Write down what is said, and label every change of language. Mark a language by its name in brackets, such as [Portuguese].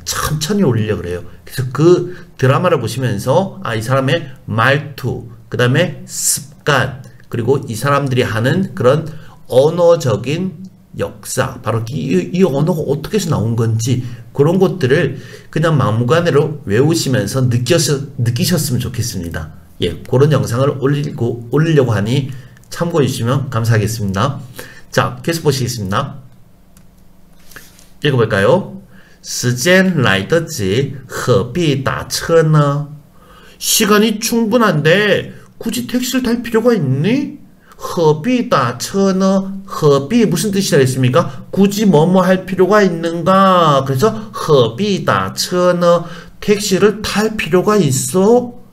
[Korean] 천천히 올리려고 그래요. 그래서 그 드라마를 보시면서, 아, 이 사람의 말투, 그 다음에 습관, 그리고 이 사람들이 하는 그런 언어적인 역사, 바로 이 언어가 어떻게 해서 나온 건지, 그런 것들을 그냥 막무가내로 외우시면서 느끼셨으면 좋겠습니다. 예, 그런 영상을 올리려고 하니 참고해 주시면 감사하겠습니다. 자, 계속 보시겠습니다. 읽어볼까요? [Chinese] 시간 来得及, 何必 打车呢? [Korean] 시간이 충분한데, 굳이 택시를 탈 필요가 있니? 허비 다처너 허비 무슨 뜻이라 했습니까? 굳이 뭐뭐 할 필요가 있는가? 그래서 허비 다처너 택시를 탈 필요가 있어?